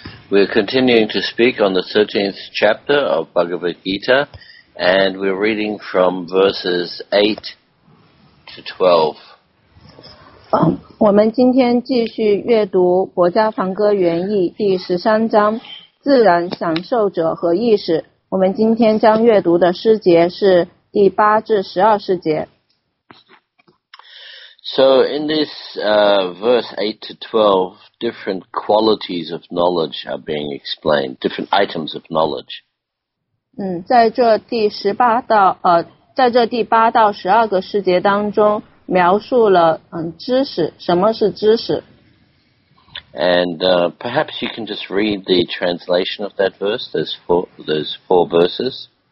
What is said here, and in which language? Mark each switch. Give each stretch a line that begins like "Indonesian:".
English: We're continuing to speak on the 13th chapter of Bhagavad Gita, and we're reading from verses 8 to 12.
Chinese: 我们今天继续阅读《国家防歌原意》第十三章，自然享受者和意识。我们今天将阅读的诗节是第八至十二诗节。
English: So in this verse 8 to 12, different qualities of knowledge are being explained, different items of knowledge.
Chinese: 在这第八到十二个诗节当中描述了知识，什么是知识。
English: And perhaps you can just read the translation of that verse, those four verses.